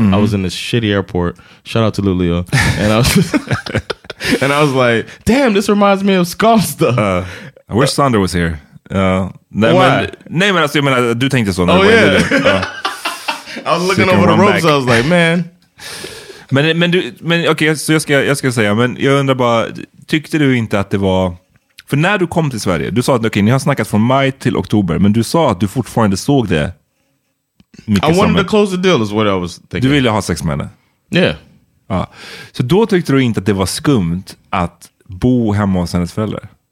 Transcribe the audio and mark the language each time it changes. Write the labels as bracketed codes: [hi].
[en] Mm-hmm. I was in this shitty airport. Shout out to Luleå. And I was and I was like, damn, this reminds me of Scum stuff. I wish Sander was here. Why? I mean, I do think this one. Oh, yeah. I was looking over the ropes. Back. I was like, man. [sv] Men okay, so jag ska säga. Men jag undrar bara, tyckte du inte att det var... För när du kom till Sverige, du sa att okay, ni har snackat från maj till oktober, men du sa att du fortfarande såg det. [en] I wanted to close the deal is what I was thinking. [sv] Du ville ha sex med henne. [en] Yeah. [sv] Ja. Så då tyckte du inte att det var skumt att bo hemma hos hennes föräldrar?